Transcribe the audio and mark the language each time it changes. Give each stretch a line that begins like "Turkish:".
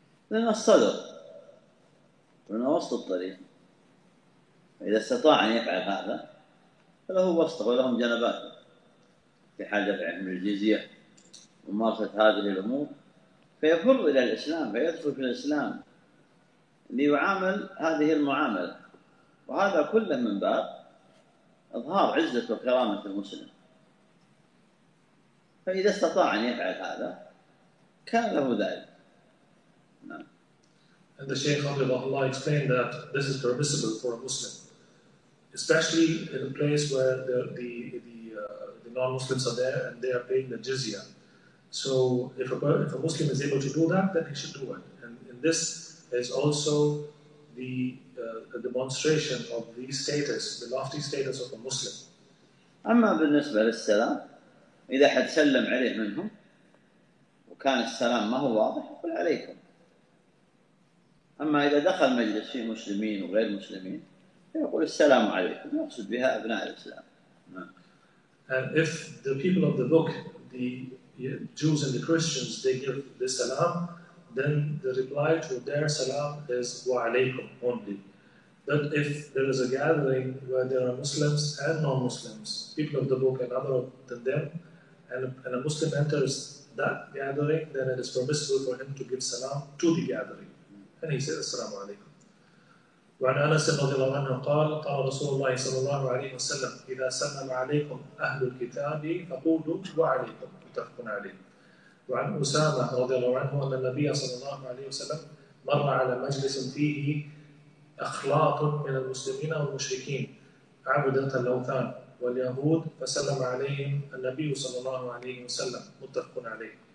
Arabic: لأن الصدر من وسط الطريق، إذا استطاع أن يفعل هذا فله وسط ولهم جنبات في حال دفعهم الجزية وممارسة هذه الأمور فيفر إلى الإسلام فيدخل في الإسلام ليعامل هذه المعاملة، وهذا كله من باب إظهار عزة وكرامة المسلم. فإذا استطاع أن يفعل هذا كان له ذلك.
English: And the Shaykh Abdullah explained that this is permissible for a Muslim, especially in a place where the non-Muslims are there and they are paying the jizya. So if a Muslim is able to do that, then he should do it. And this is also the demonstration of the status, the lofty status of a Muslim.
Arabic: أما بالنسبة للسلام إذا حد سلم عليه منهم وكان السلام ما هو واضح يقول عليكم. أما إذا دخل مجلس فيه مسلمين وغير مسلمين يقول السلام عليكم، يقصد بها أبناء الإسلام.
English: And if the people of the book, the Jews and the Christians, they give the salam, then the reply to their salam is وعليكم only. But if there is a gathering where there are Muslims and non-Muslims, people of the book and other than them, and a Muslim enters that gathering, then it is permissible for him to give salam to the gathering. And he says, As-salamu alaykum.
Arabic: وعن أنس رضي الله عنه قال قال رسول الله صلى الله عليه وسلم إذا سلم عليكم أهل الكتاب فقولوا وعليكم متفق عليه. وعن أسامة رضي الله عنه أن النبي صلى الله عليه وسلم مر على مجلس فيه أخلاط من المسلمين والمشركين عبدة الأوثان واليهود فسلم عليهم النبي صلى الله عليه وسلم متفق عليه.